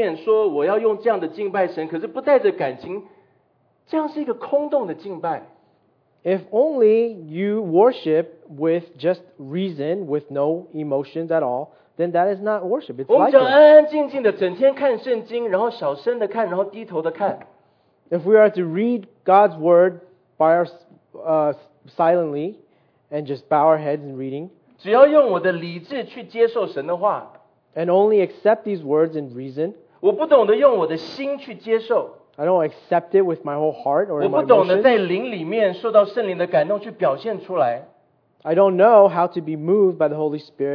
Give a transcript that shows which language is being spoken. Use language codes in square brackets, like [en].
[zh] 只有在理性上面说我要用这样的敬拜神，可是不带着感情， 这样是一个空洞的敬拜。 [en] If only you worship with just reason, with no emotions at all, then that is not worship. It's like [zh] 我们只要安安静静的整天看圣经，然后小声的看，然后低头的看。 [en] If we are to read God's word by our silently and just bow our heads in reading, [zh] 只要用我的理智去接受神的话， [en] and only accept these words in reason, [zh] 我不懂得用我的心去接受， [en] I don't accept it with my whole heart or my emotion, [zh] 我不懂得在灵里面受到圣灵的感动去表现出来， [en] I don't know how to be moved by the Holy Spirit,